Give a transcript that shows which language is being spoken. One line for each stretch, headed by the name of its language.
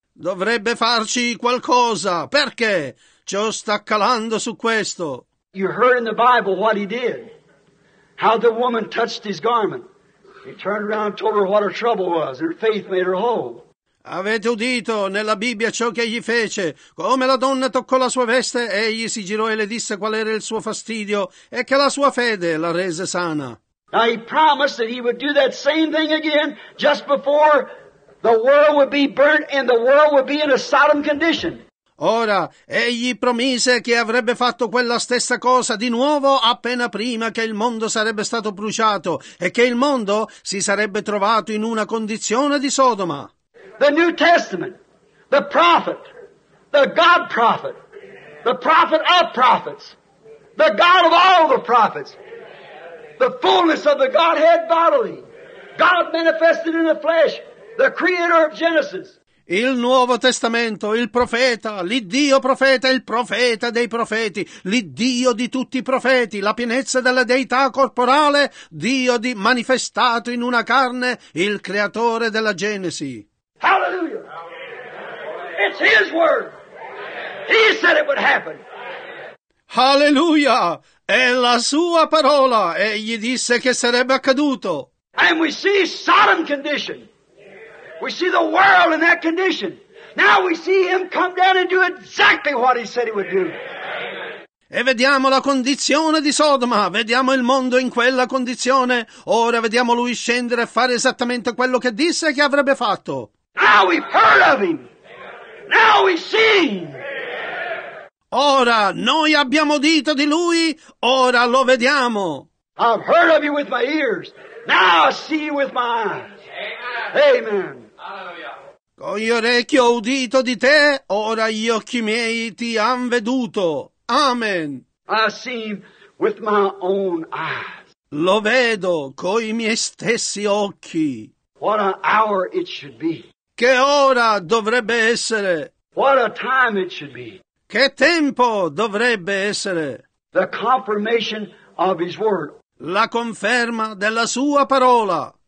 Italian: Dovrebbe farci qualcosa. Perché? Ciò sta calando su questo.
English: You heard in the Bible what he did. How the woman touched his garment. He turned around and told her what her trouble was. Her faith made her whole.
Italian: Avete udito nella Bibbia ciò che egli fece. Come la donna toccò la sua veste, egli si girò e le disse qual era il suo fastidio e che la sua fede la rese sana.
English: Now he promised that he would do that same thing again just before the world would be burnt and the world would be in a Sodom condition.
Italian: Ora, egli promise che avrebbe fatto quella stessa cosa di nuovo appena prima che il mondo sarebbe stato bruciato e che il mondo si sarebbe trovato in una condizione di Sodoma.
English: The New Testament, the prophet, the God prophet, the prophet of prophets, the God of all the prophets, the fullness of the Godhead bodily, God manifested in the flesh, the creator of Genesis.
Italian: Il Nuovo Testamento, il profeta, l'Iddio profeta, il profeta dei profeti, l'Iddio di tutti i profeti, la pienezza della Deità corporale, Dio di manifestato in una carne, il creatore della Genesi.
English: Hallelujah! It's His word! He said it would happen!
Italian: Hallelujah! È la Sua parola! Egli disse che sarebbe accaduto!
English: And we see Sodom condition! We see the world in that condition. Now we see him come down and do exactly what he said he would do.
Italian: E vediamo la condizione di Sodoma. Vediamo il mondo in quella condizione. Ora vediamo lui scendere e fare esattamente quello che disse che avrebbe fatto.
English: Now we've heard of him. Now we see.
Italian: Ora noi abbiamo udito di lui. Ora lo vediamo.
English: I've heard of you with my ears. Now I see you with my eyes. Amen.
Italian: Con gli orecchi ho udito di te, ora gli occhi miei ti han veduto.
English: Amen. I see him with my own eyes.
Italian: Lo vedo coi miei stessi occhi.
English: What an hour it should be.
Italian: Che ora dovrebbe essere?
English: What a time it should be.
Italian: Che tempo dovrebbe essere?
English: The confirmation of his word.
Italian: La conferma della sua parola.